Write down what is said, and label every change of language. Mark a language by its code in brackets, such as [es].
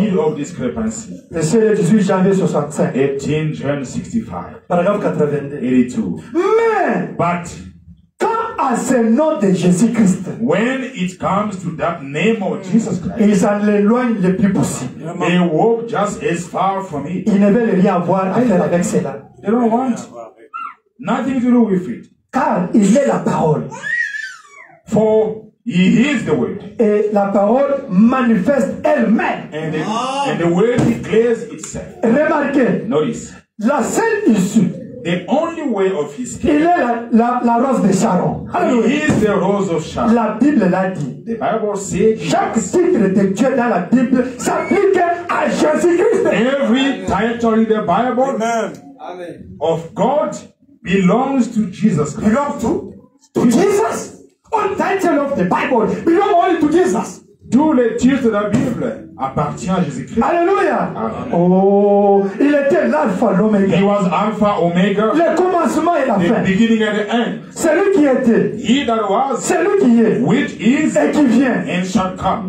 [en] The seed of discrepancy. [fr] Le 18 janvier 65. 18 janvier 65. Paragraphe 82. 82. Mais. [en] But. [fr] Quand à ce nom de Jésus-Christ. [en] When it comes to that name of Jesus Christ. [fr] Il s'en éloigne le plus possible. [en] They walk just as far from it. [fr] Ils ne veulent rien avoir à faire avec cela. [en] They don't want nothing to do with it. [fr] Car il est la parole. [en] For he is the word. [fr] Et la parole manifeste elle-même. [en] And the word declares itself. [fr] Remarquez. [en] Notice. [fr] La seule issue. [en] the only way of his [fr] kingdom. Il est la rose de Sharon. [en] Hallelujah. He is the rose of Sharon. [fr] La Bible l'a dit. [en] The Bible says [fr] chaque titre de Dieu dans la Bible s'applique à Jésus-Christ. [en] Every title in the Bible Amen. Of God belongs to Jesus Christ. Belongs to Jesus. All title of the Bible belongs only to Jesus. [fr] Tous les titres de la Bible appartient à Jésus-Christ. Alléluia. Oh, il était l'alpha, l'oméga. [en] He was alpha, omega. [fr] Le commencement et la [en] the [fr] fin. [en] The beginning and the end. [fr] Celui qui était. [en] He that was. [fr] Celui qui est. [en] Which is. [fr] Et qui vient. [en] And shall come.